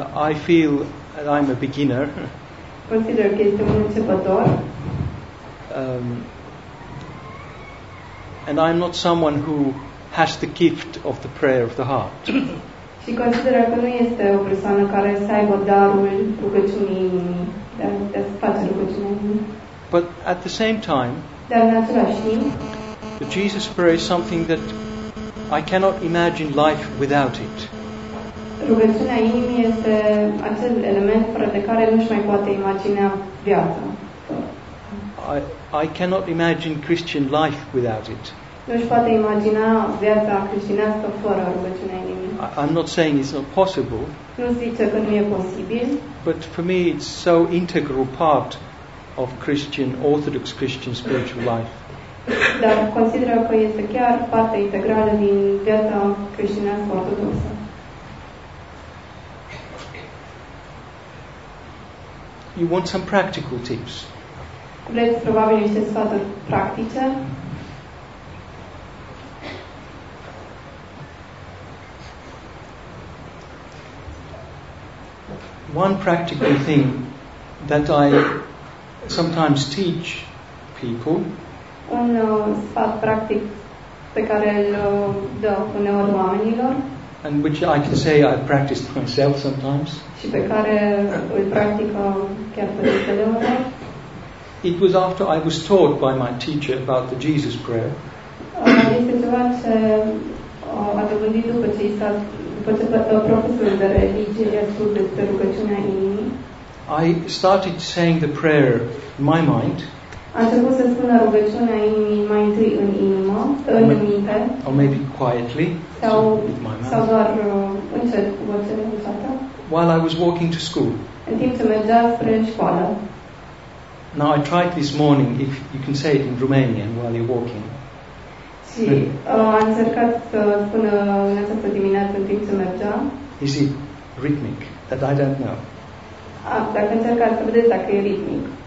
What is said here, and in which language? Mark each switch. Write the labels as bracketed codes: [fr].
[en] I feel that I'm a beginner. [ro] Consider că este un începător. [en] And I'm not someone who has the gift of the prayer of the heart. [ro] Și consider că nu este o persoană care să aibă darul rugăciunii inimii, de a face rugăciunea inimii. [en] But at the same time, [ro] dar în același timp, [en] the Jesus Prayer is something that I cannot imagine life without it. [ro] Rugăciunea inimii este acel element fără de care nu-și mai poate imagina viața. [en] I cannot imagine Christian life without it. [ro] Nu-și poate imagina viața creștinească fără rugăciunea inimii. [en] I'm not saying it's not possible. [ro] Nu zice că nu e posibil. [en] But for me it's so integral part of Christian, Orthodox Christian spiritual life. [ro] Dar consideră că este chiar parte integrală din viața creștinească ortodoxă. [en] You want some practical tips. [ro] Vreți probabil niște sfaturi practice. [en] One practical thing that I sometimes teach people. [ro] Un sfat practic pe care îl dă uneori oamenilor. [en] And which I can say I practice myself sometimes. [ro] Și pe care îl practică chiar pe zilele mele. [en] It was after I was taught by my teacher about the Jesus Prayer. [ro] Este ceva ce a dovedit după ce i s-a profesorul de religie i-a spus despre rugăciunea inimii. [en] I started saying the prayer in my mind. [ro] A început să spună rugăciunea inimii mai întâi în inimă, în minte. [en] Or maybe quietly. [ro] Sau doar încet cu voce neînțeleasă. [en] While I was walking to school. [ro] În timp ce mergea spre școală. [en] Now I tried this morning, if you can say it in Romanian while you're walking. [ro] Și am încercat să spun în această dimineață în timp ce mergea. [en] Is it rhythmic? That I don't know. [ro] Dacă încercați să vedeți dacă e ritmic.